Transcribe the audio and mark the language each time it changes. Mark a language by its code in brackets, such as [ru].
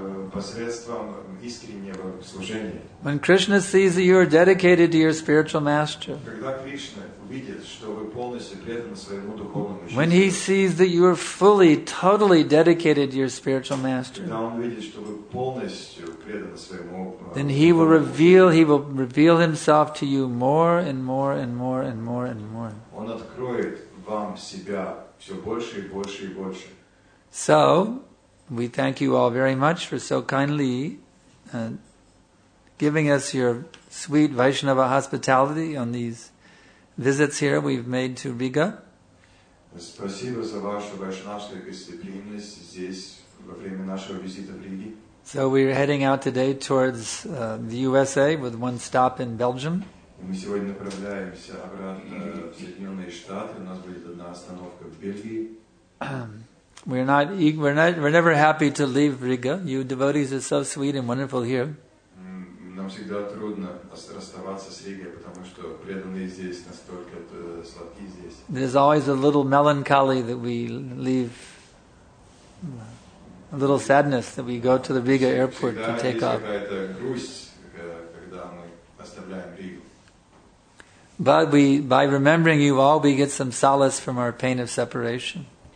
[ru] Посредством искреннего служения. [en] When Krishna sees that you are dedicated to your spiritual master. [ru] Когда Кришна видит, что вы полностью преданы своему духовному учителю. [en] When he sees that you are fully, totally dedicated to your spiritual master. [ru] Когда он видит, что вы полностью преданы своему духовному. [en] Then he will reveal himself to you more and more and more and more and more. [ru] Он откроет вам себя все больше и больше и больше. [en] So, we thank you all very much for so kindly giving us your sweet Vaishnava hospitality on these visits here we've made to Riga. [ru] Спасибо за вашу вайшнавскую гостеприимность здесь во время нашего визита в Риге. [en] So we're heading out today towards the USA with one stop in Belgium. [ru] Мы сегодня направляемся обратно в Соединенные Штаты. У нас будет одна остановка в Бельгии. [en] We're never happy to leave Riga. You devotees are so sweet and wonderful here. [ru] Нам всегда трудно расставаться с Ригой, потому что преданные здесь настолько сладкие здесь. [en] There's always a little melancholy that we leave, a little sadness that we go to the Riga airport to take off. [ru] Всегда есть какая-то грусть, когда мы оставляем Ригу. [en] But we, by remembering you all, we get some solace from our pain of separation.